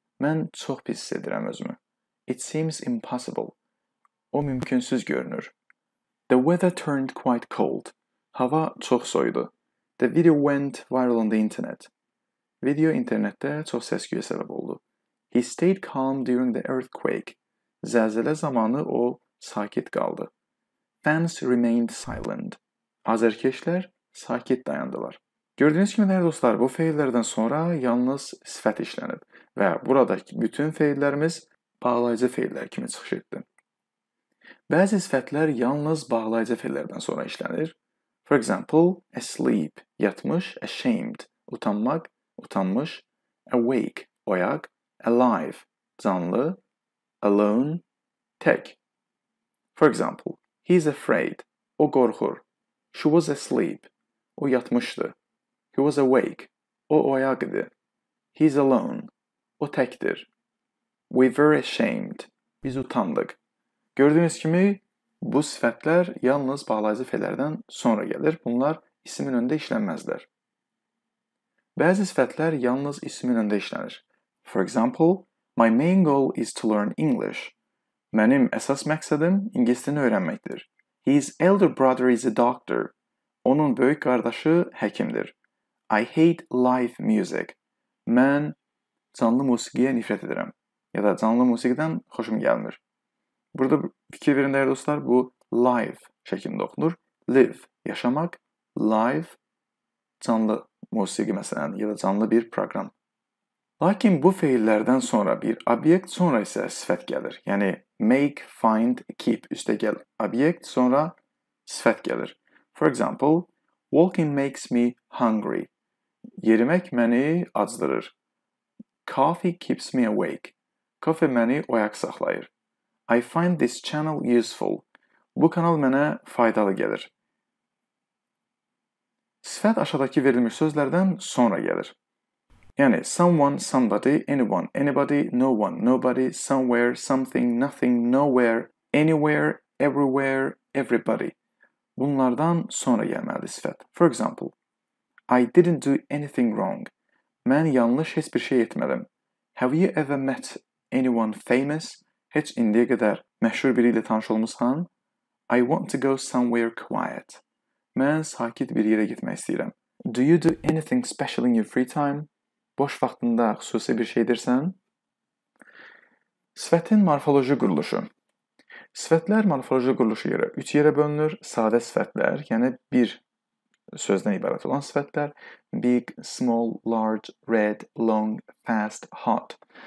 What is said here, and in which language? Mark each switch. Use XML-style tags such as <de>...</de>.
<az>Mən çox pis hiss edirəm özümü.</az> <en>It seems impossible.</en> <az>O mümkünsüz görünür.</az> <en>The weather turned quite cold.</en> <az>Hava çox soyudu.</az> <en>The video went viral on the internet.</en> <az>Video internetdə çox səs-küyə səbəb oldu.</az> <en>He stayed calm during the earthquake.</en> <az>Zəlzələ zamanı o sakit qaldı.</az> <en>Fans remained silent.</en> <az>Azərkeşlər sakit dayandılar. Gördüyünüz kimi, dəyər dostlar, bu feillərdən sonra yalnız sifət işlənib və buradakı bütün feillərimiz bağlayıcı feillər kimi çıxış etdi. Bəzi sifətlər yalnız bağlayıcı feillərdən sonra işlənir.</az> <en>For example, asleep, yatmış, ashamed, utanmak, utanmış, awake, oyak, alive, canlı, alone, tek. For example, he's afraid,</en> <tr>o korkur,</tr> <en>she was asleep,</en> <tr>o yatmıştı,</tr> <en>he was awake, o oyakdı, he's alone,</en> <tr>o tektir.</tr> <en>We're very ashamed,</en> <az>biz utandık. Gördüğünüz kimi, bu sifətlər yalnız bağlayıcı fəllərdən sonra gəlir. Bunlar ismin önündə işlənməzlər. Bəzi sifətlər yalnız ismin önündə işlənir.</az> <en>For example, my main goal is to learn English.</en> <az>Mənim əsas məqsədim ingilis dilini öyrənməkdir.</az> <en>His elder brother is a doctor.</en> <az>Onun böyük qardaşı həkimdir.</az> <en>I hate live music.</en> <az>Mən canlı musiqiyə nifrət edirəm. Ya da canlı musiqidən xoşum gəlmir. Burada fikir verin, dəyərli dostlar, bu live şəklində oxunur. Live, yaşamaq. Live, canlı musiqi məsələn, ya da canlı bir proqram. Lakin bu feillərdən sonra bir obyekt, sonra isə sifət gəlir. Yəni, make, find, keep, üstə gəl obyekt, sonra sifət gəlir.</az> <en>For example, walking makes me hungry.</en> <az>Yerimək məni acdırır.</az> <en>Coffee keeps me awake.</en> <az>Kafe məni oyaq saxlayır.</az> <en>I find this channel useful.</en> <az>Bu kanal mənə faydalı gəlir. Sifət aşağıdakı verilmiş sözlərdən sonra gəlir.</az> <en>Yəni, someone, somebody, anyone, anybody, no one, nobody, somewhere, something, nothing, nowhere, anywhere, everywhere, everybody.</en> <az>Bunlardan sonra gəlməli sifət.</az> <en>For example, I didn't do anything wrong.</en> <az>Mən yanlış heç bir şey etmədim.</az> <en>Have you ever met anyone famous?</en> <az>Heç indiyə qədər məşhur biri ilə tanış olmuşsan?</az> <en>I want to go somewhere quiet.</en> <az>Mən sakit bir yerə getmək istəyirəm.</az> <en>Do you do anything special in your free time?</en> <az>Boş vaxtında xüsusi bir şey edirsən? Sifətin morfoloji quruluşu. Sifətlər morfoloji quruluşu yerə 3 yerə bölünür. Sadə sifətlər, yəni bir sözdən ibarət olan sifətlər.</az> <en>Big, small, large, red, long, fast, hot.</en>